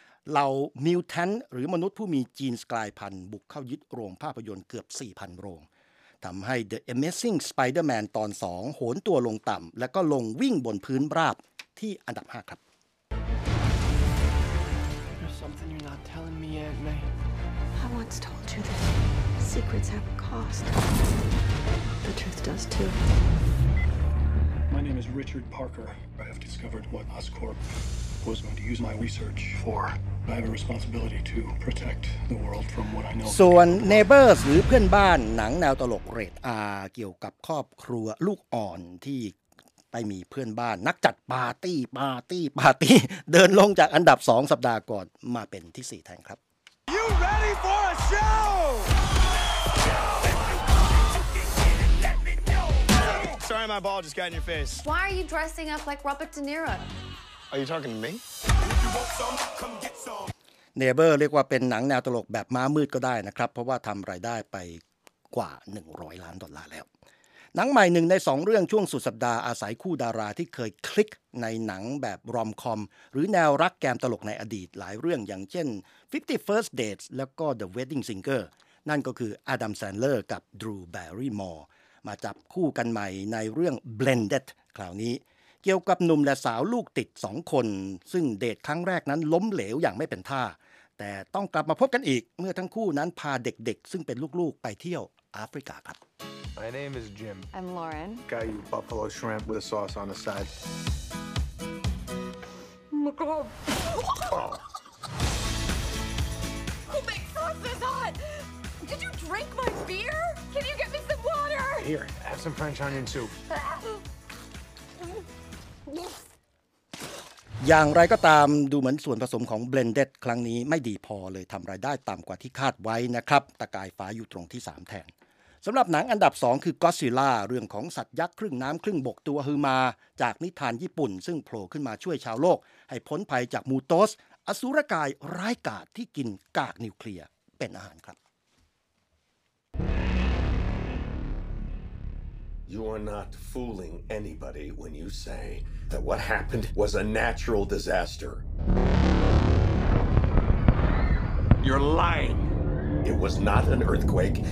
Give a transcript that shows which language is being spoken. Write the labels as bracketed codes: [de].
[th] เหล่ามิวแทนหรือมนุษย์ผู้มีจีนกลายพันธุ์บุกเข้ายึดโรงภาพยนตร์เกือบ 4,000 โรงทำให้ The Amazing Spider-Man ตอน2โหนตัวลงต่ำแล้วก็ลงวิ่งบนพื้นราบที่อันดับ5ครับ [en] Something you're not telling me, Aunt May. I once told you that secrets have a cost. The truth does too. My name is Richard Parker. I have discovered what Oscorp was going to use my research for. I have a responsibility to protect the world from what I know. [th] ส่วน Neighbors หรือเพื่อนบ้านหนังแนวตลกเรทอาร์เกี่ยวกับครอบครัวลูกอ่อนที่ไปมีเพื่อนบ้านนักจัดปาร์ตี้ปาร์ตี้ปาร์ตี้เดินลงจากอันดับ2สัปดาห์ก่อนมาเป็นที่4แทนครับ [en] You ready for a show? Sorry my ball just got in your face. Why are you dressing up like Robert De Niro? Are you talking to me? [th] Neighbor เรียกว่าเป็นหนังแนวตลกแบบม้ามืดก็ได้นะครับเพราะว่าทำรายได้ไปกว่า100ล้านดอลลาร์แล้วหนังใหม่หนึ่งในสองเรื่องช่วงสุดสัปดาห์อาศัยคู่ดาราที่เคยคลิกในหนังแบบรอมคอมหรือแนวรักแกมตลกในอดีตหลายเรื่องอย่างเช่น 51st Dates แล้วก็ The Wedding Singer นั่นก็คือ Adam Sandler กับ Drew Barrymore มาจับคู่กันใหม่ในเรื่อง Blended คราวนี้ เกี่ยวกับหนุ่มและสาวลูกติด2คนซึ่งเดทครั้งแรกนั้นล้มเหลวอย่างไม่เป็นท่าแต่ต้องกลับมาพบกันอีกเมื่อทั้งคู่นั้นพาเด็กๆซึ่งเป็นลูกๆไปเที่ยวแอฟริกาครับ [en] My name is Jim. I'm Lauren. Got you buffalo shrimp with a sauce on the side. Oh my God. Who makes sauce this hot? Did you drink my beer? Can you get me some water? Here, have some French onion soup. [th] อย่างไรก็ตามดูเหมือนส่วนผสมของ Blended ครั้งนี้ไม่ดีพอเลยทำรายได้ต่ำกว่าที่คาดไว้นะครับตะกายฟ้าอยู่ตรงที่3แทน สำหรับหนังอันดับ2คือ Godzilla เรื่องของสัตว์ยักษ์ครึ่งน้ำครึ่งบกตัวฮือมาจากนิทานญี่ปุ่นซึ่งโผล่ขึ้นมาช่วยชาวโลกให้พ้นภัยจากมูโตสอสุรกายร้ายกาจที่กินกากนิวเคลียร์เป็นอาหารครับ [en] You are not fooling anybody when you say that what happened was a natural disaster You're lyingIt was not an earthquake.